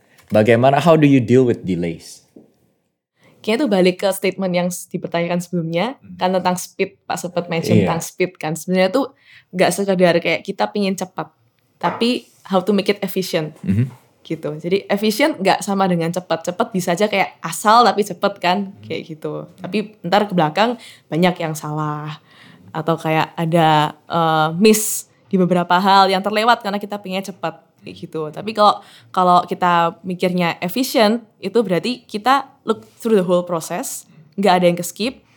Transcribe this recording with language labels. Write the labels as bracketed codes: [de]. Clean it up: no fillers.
[id] Bagaimana, [en] how do you deal with delays? [id] Kayaknya tuh balik ke statement yang dipertanyakan sebelumnya. Kan tentang speed, Pak sempat mention tentang speed kan. Sebenarnya tuh gak sekedar kayak kita pengen cepat. Tapi [en] how to make it efficient. Mm-hmm. [id] Gitu. Jadi efisien gak sama dengan cepat. Cepat bisa aja kayak asal tapi cepat kan. Kayak gitu. Tapi ntar ke belakang banyak yang salah. Atau kayak ada miss di beberapa hal yang terlewat karena kita pengen cepat. Kayak gitu. Tapi kalau kita mikirnya efisien, itu berarti kita [en] look through the whole process. [id] Gak ada yang ke skip.